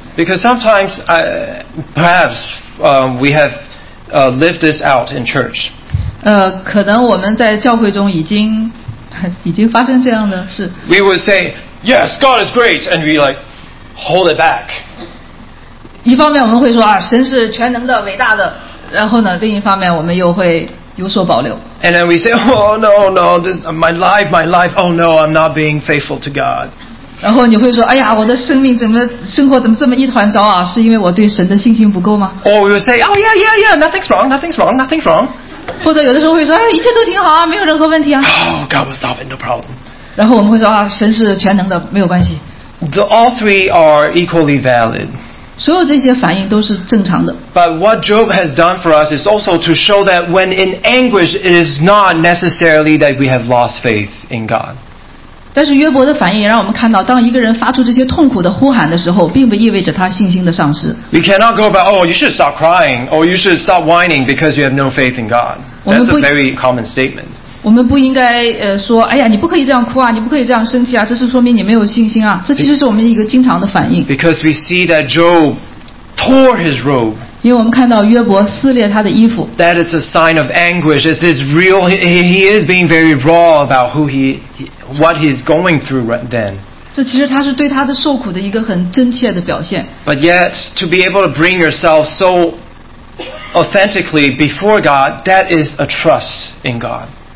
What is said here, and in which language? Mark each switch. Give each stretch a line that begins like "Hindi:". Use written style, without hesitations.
English: Because sometimes perhaps we have lived this out in church
Chinese: 可能我们在教会中已经发生这样的事
English: We would say Yes, God is great and we like hold it back
Chinese: 一方面我们会说啊，神是全能的伟大的然后呢另一方面我们又会有所保留
English: And then we say, oh no, this, my life, oh no, I'm not being faithful to God.
Chinese: 然后你会说，哎呀，我的生命怎么生活怎么这么一团糟啊？是因为我对神的信心不够吗
English: ？Or we would say, oh yeah, nothing's wrong.
Chinese: 或者有的时候会说，哎，一切都挺好啊，没有任何问题啊。
English: Oh, God will solve it, no problem.
Chinese: 然后我们会说啊，神是全能的，没有关系。
English: The all three are equally valid.
Chinese: 所有这些反应都是正常的。
English: But what Job has done for us is also to show that when in anguish, it is not necessarily that we have lost faith in God.
Chinese: 但是约伯的反应也让我们看到，当一个人发出这些痛苦的呼喊的时候，并不意味着他信心的丧失。
English: We cannot go about, oh, you should stop crying, or you should stop whining because you have no faith in God. That's a very common statement.
Chinese: 我们不应该说，哎呀，你不可以这样哭啊，你不可以这样生气啊，这是说明你没有信心啊。这其实是我们一个经常的反应。
English: Because we see that Job tore his robe.
Chinese: 因为我们看到约伯撕裂他的衣服。
English: That is a sign of anguish. This is real. He is being very raw about who what he is going through right then.
Chinese: 这其实他是对他的受苦的一个很真切的表现。
English: But yet, to be able to bring yourself so authentically before God, that is a trust in God.